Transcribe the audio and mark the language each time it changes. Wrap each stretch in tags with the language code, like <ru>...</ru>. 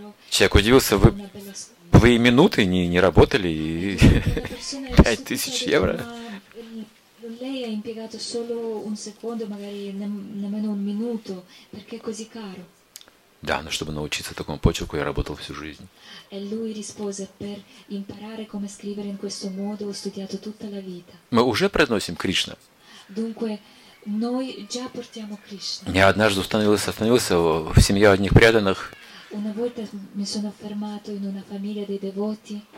<ru>Человек удивился, вы и минуты не работали, и €5000.</ru> <it>Lei ha impiegato solo un secondo, magari nemmeno un minuto, perché così caro.</it> <ru>Да, но чтобы научиться такому почерку, я работал всю жизнь.</ru> <it>E lui rispose per imparare come scrivere in questo modo, ho studiato tutta la vita.</it> <ru>Мы уже произносим Кришна.</ru> <it>Dunque noi già portiamo Krishna.</it> <ru>Я однажды остановился в семье одних преданных.</ru> <it>Una volta mi sono fermato in una famiglia dei devoti.</it>